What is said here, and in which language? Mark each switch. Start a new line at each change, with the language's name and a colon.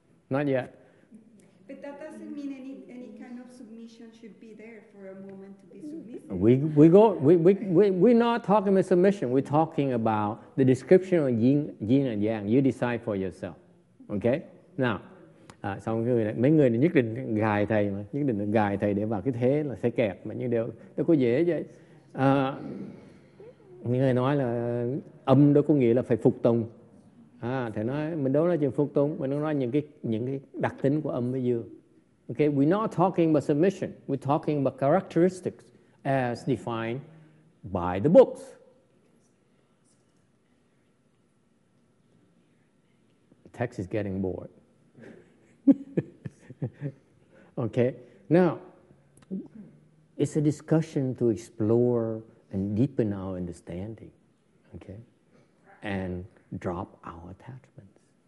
English: Not yet. But that doesn't mean any kind of of submission should be there for a moment to be submissive. We're not talking about submission. We're talking about the description of yin and yang. You decide for yourself. Okay?
Vietnamese: Now, xong người này, mấy người này nhất định gài thầy mà, nhất định gài thầy để vào cái thế là sẽ kẹt mà như đâu có dễ vậy. Những người nói là âm đó có nghĩa là phải phục tùng. Thầy nói mình đâu nói chuyện phục tùng, mình đâu nói những cái đặc tính của âm với dương.
English: Okay, we're not talking about submission. We're talking about characteristics as defined by the books. The text is getting bored. Okay, now it's a discussion to explore and deepen our understanding, okay, and drop our attachments.